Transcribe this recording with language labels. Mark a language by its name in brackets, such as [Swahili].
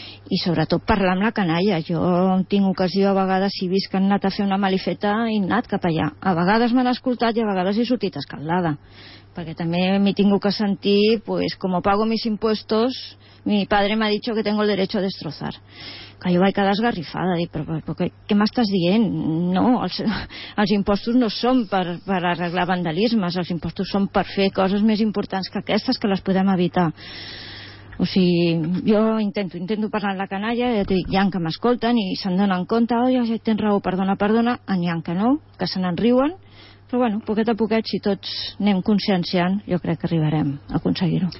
[Catalan] I sobretot parlar amb la canalla. Jo tinc ocasió, a vegades, si visc, han anat a fer una malifeta i han anat cap allà. A vegades m'han escoltat i a vegades he sortit escaldada. Perquè també m'hi tinc que sentir, pues, [Spanish] como pago mis impuestos, mi padre me ha dicho que tengo el derecho a destrozar. [Catalan] Que jo vaig quedar esgarrifada, dic, però què m'estàs dient? No, els impostos no són per arreglar vandalismes, els impostos són per fer coses més importants que aquestes, que les podem evitar. O sigui, jo intento parlar amb la canalla, hi ha que m'escolten i se'n donen compte, oi, ja tens raó, perdona, n'hi ha que no, que se n'enriuen, però bueno, poquet a poquet, si tots anem conscienciant, jo crec que arribarem a aconseguir-ho.